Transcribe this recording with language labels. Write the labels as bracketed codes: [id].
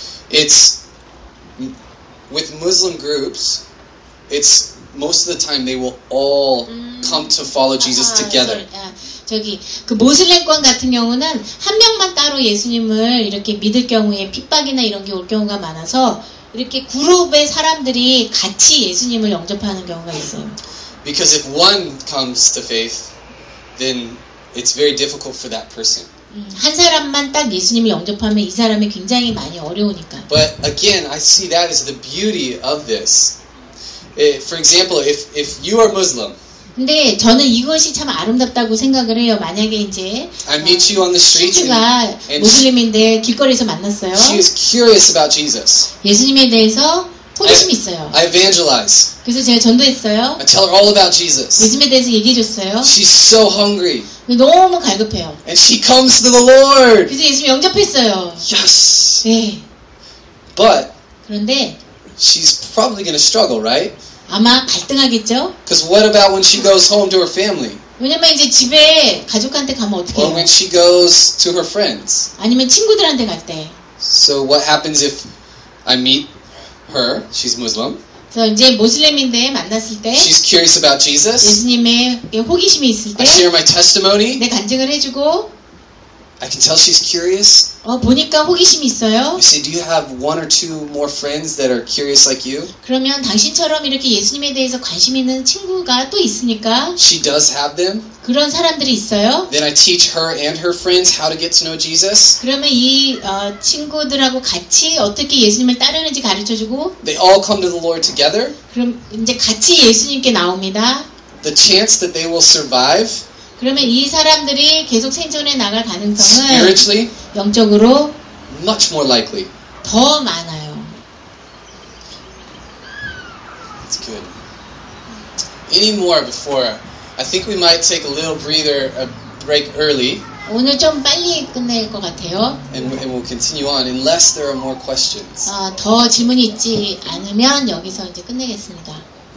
[en] It's with Muslim groups, it's most of the time they will all come to follow Jesus together. [ko] 저기 그 모슬렘권 같은 경우는 한 명만 따로 예수님을 이렇게 믿을 경우에 핍박이나 이런 게 올 경우가 많아서 이렇게 그룹의 사람들이 같이 예수님을 영접하는 경우가 있어요. [en] Because if one comes to faith, then it's very difficult for that person. [ko] 한 사람만 딱 예수님을 영접하면 이 사람이 굉장히 많이 어려우니까. [en] But again, I see that as the beauty of this. For example, if you are Muslim. [ko] 근데 저는 이것이 참 아름답다고 생각을 해요. 만약에 이제 [en] I meet you on the street. [ko] 친구가 무슬림인데 길거리에서 만났어요. [en] She is curious about Jesus. [ko] 예수님에 대해서 호기심이 있어요. [en] I evangelize. [ko] 그래서 제가 전도했어요. [en] I tell her all about Jesus. [ko] 예수님에 대해서 얘기해 줬어요. [en] She's so hungry. [ko] 너무 갈급해요. [en] And she comes to the Lord. [ko] 그래서 예수님 영접했어요. [en] Yes. [ko] 네. [en] But [ko] 그런데 [en] she's probably going to struggle, right? [ko] 아마 갈등하겠죠. [en] Because what about when she goes home to her family? [ko] 왜냐면 이제 집에 가족한테 가면 어떻게 해요? [en] Or when she goes to her friends. [ko] 아니면 친구들한테 갈 때. [en] So what happens if I meet her? She's Muslim. [ko] 그래서 이제 모슬렘인데 만났을 때 [en] She's curious about Jesus. [ko] 예수님의 호기심이 있을 때 [en] I share my testimony. [ko] 내 간증을 해주고 [en] I can tell she's curious. [ko] 보니까 호기심이 있어요. [en] You say, do you have one or two more friends that are curious like you? [ko] 그러면 당신처럼 이렇게 예수님에 대해서 관심 있는 친구가 또 있으니까 [en] She does have them. [ko] 그런 사람들이 있어요. [en] Then I teach her and her friends how to get to know Jesus. [ko] 그러면 이 친구들하고 같이 어떻게 예수님을 따르는지 가르쳐주고 [en] They all come to the Lord together. [ko] 그럼 이제 같이 예수님께 나옵니다. [en] The chance that they will survive [ko] 그러면 이 사람들이 계속 생존해 나갈 가능성은 [en] Spiritually, [ko] 영적으로 [en] much more likely. [ko] 더 많아요. [en] That's good. Any more before? I think we might take a little breather, a break early. [ko] 오늘 좀 빨리 끝낼 것 같아요. [en] And we'll continue on unless there are more questions. [ko] 더 질문이 있지 않으면 여기서 이제 끝내겠습니다.